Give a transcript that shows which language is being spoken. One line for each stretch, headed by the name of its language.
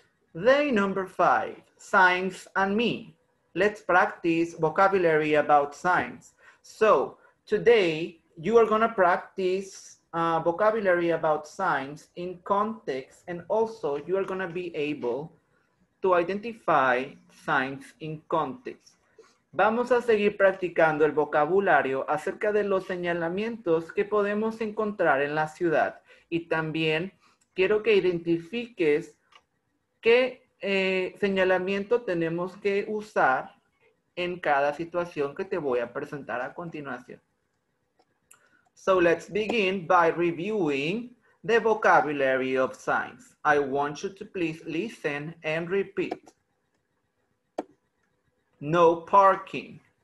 English: Day number 5, signs and me. Let's practice vocabulary about signs. So, today, you are gonna practice vocabulary about signs in context, and also you are going to be able to identify signs in context.
Spanish: Vamos a seguir practicando el vocabulario acerca de los señalamientos que podemos encontrar en la ciudad. Y también quiero que identifiques qué señalamiento tenemos que usar en cada situación que te voy a presentar a continuación.
English: So let's begin by reviewing the vocabulary of signs. I want you to please listen and repeat. No parking.